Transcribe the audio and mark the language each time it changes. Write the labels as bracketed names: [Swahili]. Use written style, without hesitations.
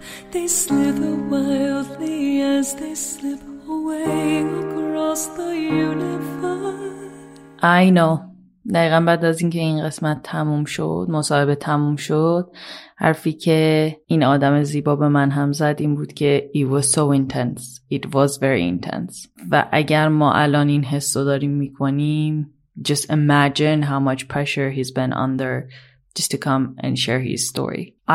[English] They slither wildly as they slip away across the universe. I know. [Persian] دقیقا بعد از اینکه این قسمت تموم شد، مصاحبه تموم شد، حرفی که این آدم زیبا به من هم زد این بود که [English] It was so intense. It was very intense. [Persian] و اگر ما الان این حسو داریم میکنیم، [English] Just imagine how much pressure he's been under just to come and share his story.